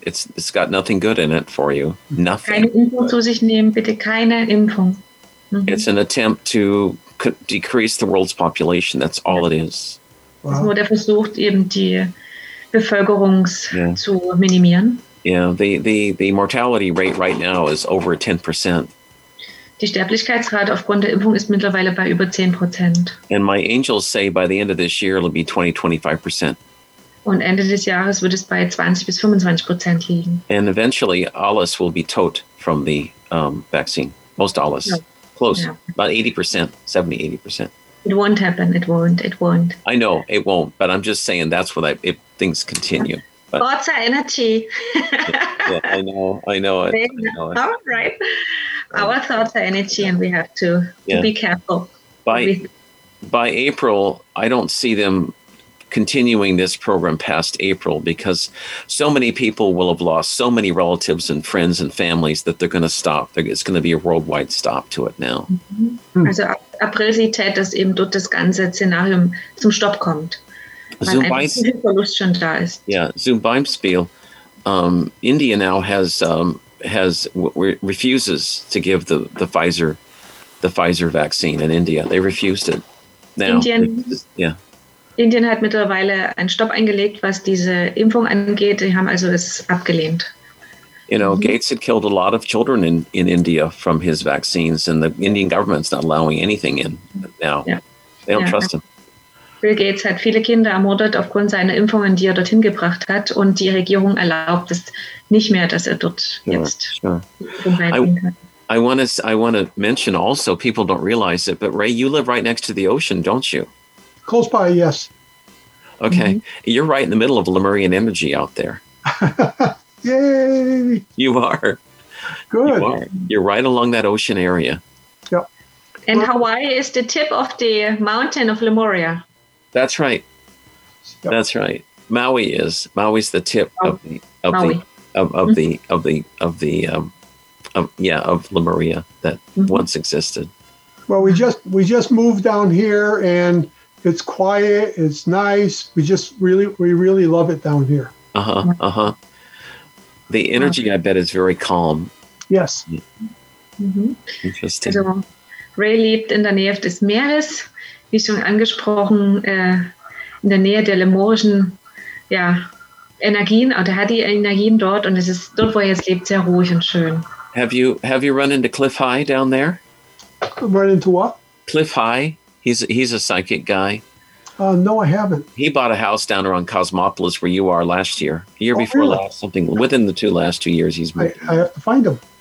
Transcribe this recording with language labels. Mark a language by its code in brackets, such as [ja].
[en] It's got nothing good in it for you. Nothing. [de] Keine Impfung zu sich nehmen, bitte keine Impfung. [en] It's an attempt to decrease the world's population. That's all it is. Wow. [de] Es ist nur der Versuch, eben die Bevölkerung zu minimieren. [en] Yeah, the mortality rate right now is over 10%. [de] Die Sterblichkeitsrate aufgrund der Impfung ist mittlerweile bei über 10%. [en] And my angels say by the end of this year it'll be 20-25%. [de] Und Ende des Jahres wird es bei 20-25% liegen. [en] And eventually [de] alles [en] will be [de] tot [en] from the vaccine. Most [de] alles. Ja. [en] Close. Yeah. About 80%, 70-80%. It won't happen. It won't. I know it won't, but I'm just saying that's what if things continue. But, thoughts are energy. I know. All right. Our thoughts are energy, and we have to be careful. By April, I don't see them continuing this program past April, because so many people will have lost so many relatives and friends and families that they're going to stop. It's going to be a worldwide stop to it now. Mm-hmm. [de] Also April sieht halt, dass eben dort das ganze Szenario zum Stopp kommt. Zum Beispiel, [en] India now refuses to give the Pfizer vaccine in India. They refused it. Now, [de] Indien hat mittlerweile einen Stopp eingelegt, was diese Impfung angeht. Die haben also es abgelehnt. [en] You know, Gates had killed a lot of children in India from his vaccines, and the Indian government's not allowing anything in now. Yeah. They don't trust him. [de] Bill Gates hat viele Kinder ermordet aufgrund seiner Impfungen, die er dorthin gebracht hat, und die Regierung erlaubt es nicht mehr, dass er dort jetzt umreisen kann. [en] I want to mention also, people don't realize it, but Ray, you live right next to the ocean, don't you? Close by, yes. Okay. Mm-hmm. You're right in the middle of Lemurian energy out there. Yay! You are. Good. You are. You're right along that ocean area. Yep. And Hawaii is the tip of the mountain of Lemuria. That's right. Yep. That's right. Maui is. Maui's the tip of Lemuria that once existed. Well, we just moved down here, and it's quiet, it's nice. We really love it down here. The energy, I bet, is very calm. Yes. Interesting. [de] Also, Ray lebt in der Nähe des Meeres, wie schon angesprochen, in der Nähe der lemurischen Energien, oder hat die Energien dort, und es ist dort, wo er jetzt lebt, sehr ruhig und schön. [en] Have you run into Cliff High down there? Run into what? Cliff High. He's a psychic guy. No, I haven't. He bought a house down around Cosmopolis where you are last year. A year before last, something. Within the last two years he's moved. I have to find him.